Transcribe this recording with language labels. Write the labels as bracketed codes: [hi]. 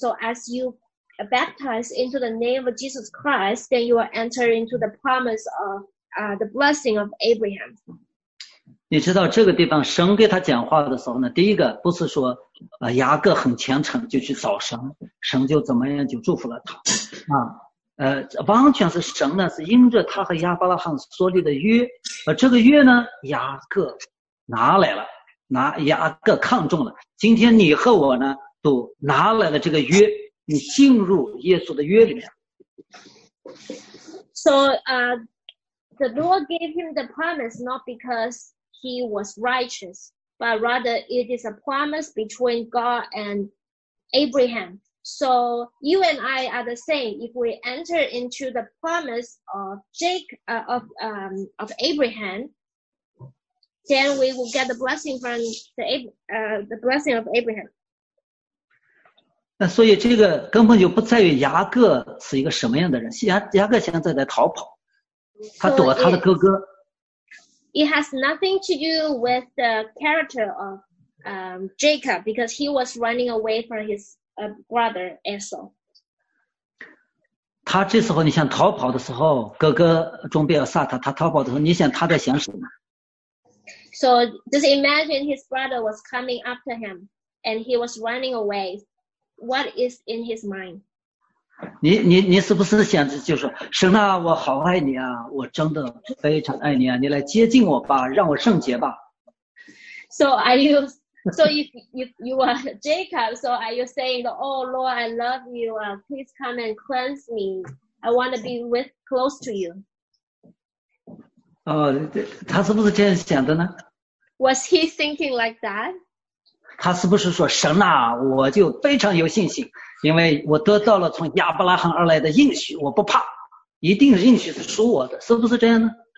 [en] So as you are baptized into the name of Jesus Christ, then you are entering into the promise of the blessing of Abraham. [zh] 你知道这个地方神给他讲话的时候呢，第一个不是说雅各很虔诚就去找神，神就怎么样就祝福了他啊。完全是神呢是因着他和亚伯拉罕所立的约，这个约呢雅各拿来了。拿雅各看中了，今天你和我呢都拿来了这个约，你进入耶稣的约里面。 [en] So, the Lord gave him the promise not because he was righteous, but rather it is a promise between God and Abraham. So you and I are the same. If we enter into the promise of of Abraham. Then we will get the blessing from the blessing of Abraham. [zh] 那所以这个根本就不在于雅各是一个什么样的人。雅各现在在逃跑，他躲他的哥哥。 [en] It has nothing to do with the character of Jacob because he was running away from his brother Esau. [zh] 他这时候你想逃跑的时候，哥哥准备要杀他。他逃跑的时候，你想他在想什么？ [en] So just imagine his brother was coming after him and he was running away. What is in his mind? [zh] 你是不是想着就是神啊，我好爱你啊，我真的非常爱你啊，你来接近我吧，让我圣洁吧。 [en] So if you are Jacob, are you saying, oh Lord, I love you, please come and cleanse me. I want to be with close to you. [zh] 他是不是这样想的呢？ [en] Was he thinking like that? [zh] 他是不是说神啊，我就非常有信心，因为我得到了从亚伯拉罕而来的应许，我不怕，一定应许是属我的，是不是这样呢？